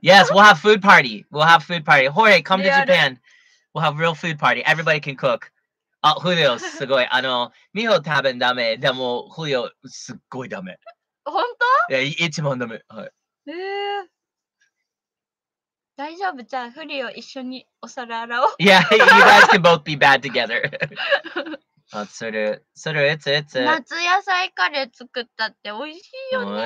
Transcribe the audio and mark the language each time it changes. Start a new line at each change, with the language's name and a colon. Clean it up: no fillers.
English: Yes, we'll have food party. We'll have food party. ホレ come to Japan. We'll have real food party. Everybody can cook.
Japanese: あ、フリオすごい。ミホ食べんダメ。でもフリオすっごいダメ。本当？いや、一番ダメ。はい。大丈夫じゃあフリオ一緒にお皿洗おう。
English: Yeah, you guys can both be bad together.
Japanese: あ、する、する、夏野菜カレー作ったって美味しいよね。